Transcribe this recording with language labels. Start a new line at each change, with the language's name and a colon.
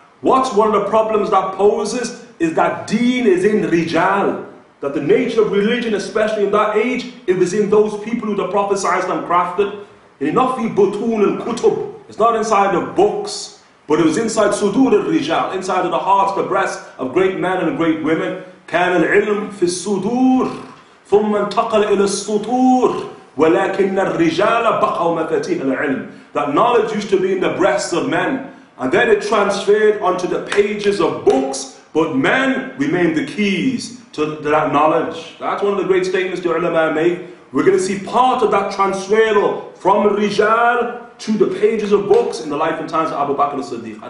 English: What's one of the problems that poses is that deen is in rijal. That the nature of religion, especially in that age, it was in those people who the Prophet ﷺ crafted. It is not
Arabic: fi butun al-kutub.
English: It's not inside of books, but it was inside
Arabic: sudur al-rijal,
English: inside of the hearts, the breasts of great men and great women.
Arabic: كان العلم في الصدور ثم انتقل إلى السطور ولكن الرجال بقوا مفاتيح العلم.
English: That knowledge used to be in the breasts of men, and then it transferred onto the pages of books, but men remained the keys to that knowledge. That's one of the great statements the ulama make. We're going to see part of that transfer from Rijal to the pages of books in the life and times of Abu Bakr al-Siddiq.